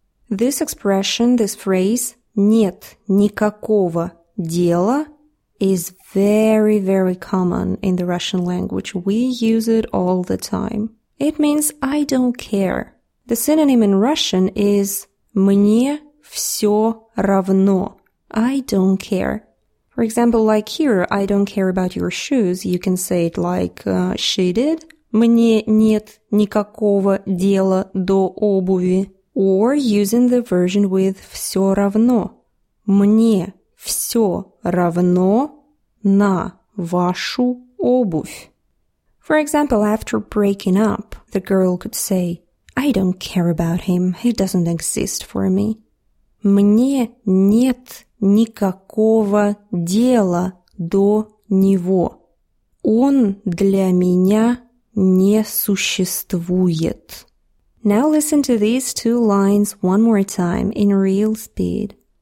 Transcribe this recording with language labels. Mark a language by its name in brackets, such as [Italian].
[English] This expression, this phrase, [Russian] нет никакого дела, [English] is very, very common in the Russian language. We use it all the time. It means I don't care. The synonym in Russian is [Russian] мне все равно. [English] I don't care. For example, like here, I don't care about your shoes. You can say it like she did. [Russian] Мне нет никакого дела до обуви. [English] Or using the version with [Russian] все равно. Мне все равно на вашу обувь. [English] For example, after breaking up, the girl could say, I don't care about him. He doesn't exist for me. [Russian] Мне нет никакого дела до него. Он для меня не существует. [English] Now listen to these two lines one more time in real speed.